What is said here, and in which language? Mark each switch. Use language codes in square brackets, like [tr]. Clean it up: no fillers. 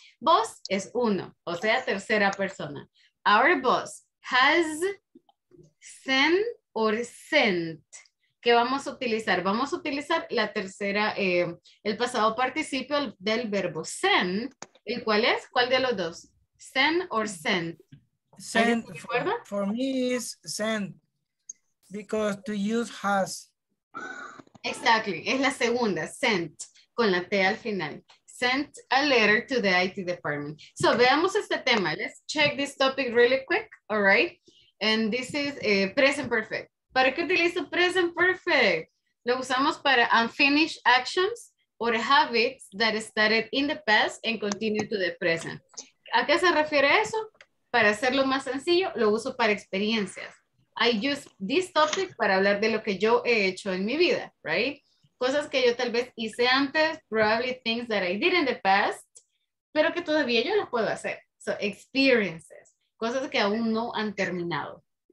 [en] Boss [es] es uno, o sea, tercera persona. [en] Our boss has sent or sent. [es] ¿Qué vamos a utilizar? Vamos a utilizar la tercera, el pasado participio del verbo send. ¿El cuál es? ¿Cuál de los dos? [en] Send or sent. Send for me is send because to use has. [es] Exactly, es la segunda, sent, con la T al final. [en] Sent a letter to the IT department. [es] So veamos este tema. [en] Let's check this topic really quick, all right? And this is present perfect. [es] ¿Para qué utilizo [en] present perfect? [es] Lo usamos para [en] unfinished actions or habits that started in the past and continue to the present. [es] ¿A qué se refiere eso? Para hacerlo más sencillo, lo uso para experiencias. [en] I use this topic [es] para hablar de lo que yo he hecho en mi vida, right? Cosas que yo tal vez hice antes, [en] probably things that I did in the past, [es] pero que todavía yo lo puedo hacer. [en] So, experiences, [es] cosas que aún no han terminado.